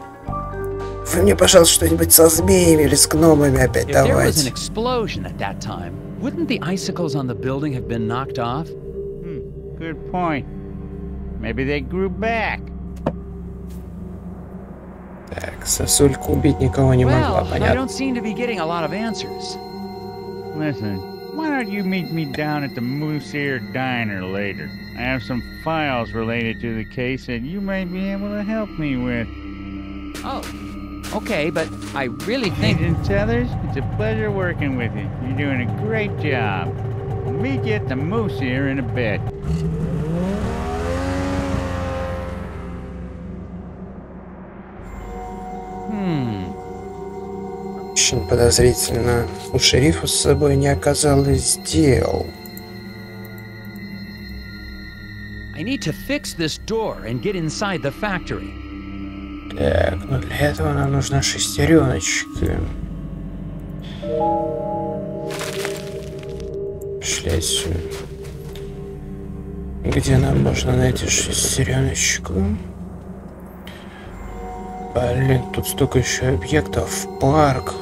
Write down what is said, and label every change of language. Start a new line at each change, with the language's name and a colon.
Russian: Вы мне, пожалуйста, что-нибудь со змеями или с гномами опять давайте. Если бы была эксплозия в то время, не бы айсиклы на здании были сбиты? Хороший момент. Может, они вернулись. Так, сосулька убить никого не могла, понятно.
English: Well, I don't seem to be getting a lot of answers. Listen, why don't you meet me down at the Moose Ear Diner later? I have some files related to the case that you might be able to help me with. Oh, okay, but I really think... Agent Tethers, it's a pleasure working with you. You're doing a great job. We'll meet you at the Moose Ear in a bit.
Russian: Очень подозрительно. У шерифа с собой не оказалось дел.
English: I need to fix this door and get inside the factory.
Russian: Так, но для этого нам нужны шестереночки. Пошли отсюда. Где нам можно найти шестереночку? Блин, тут столько еще объектов. Парк.